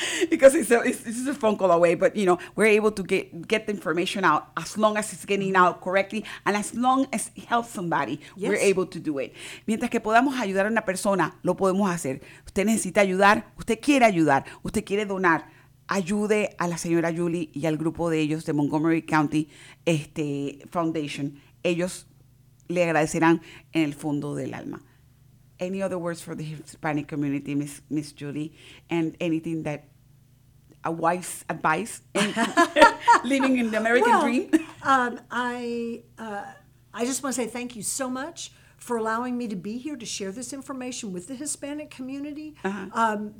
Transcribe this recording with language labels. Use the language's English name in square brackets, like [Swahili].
[English] Because it's a phone call away, but you know, we're able to get the information out as long as it's getting out correctly and as long as it helps somebody, we're able to do it. [Spanish] Mientras que podamos ayudar a una persona, lo podemos hacer. Usted necesita ayudar, usted quiere ayudar, usted quiere donar. Ayude a la señora Julie y al grupo de ellos de Montgomery County Foundation. Ellos le agradecerán en el fondo del alma. [English] Any other words for the Hispanic community, Miss Julie, and anything that a wise advice in living in the American dream? I just want to say thank you so much for allowing me to be here to share this information with the Hispanic community. Uh-huh.